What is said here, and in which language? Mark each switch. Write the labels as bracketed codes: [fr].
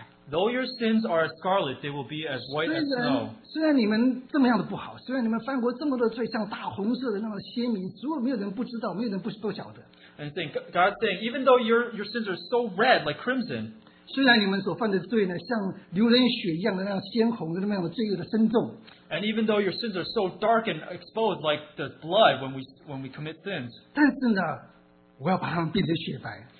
[en] Though your sins are as scarlet, they will be as white as snow. [zh] 虽然你们这么样的不好,虽然你们犯过这么多罪,像大红色的那么鲜明,没有人不知道,没有人不晓得。 [en] And God's saying, even though your sins are so red, like crimson, [zh] 虽然你们所犯的罪呢,像流人血一样的那样鲜红的那么样的罪恶的深重, [en] and even though your sins are so dark and exposed like the blood when we commit sins, [zh] 但是呢,我要把它们变成雪白。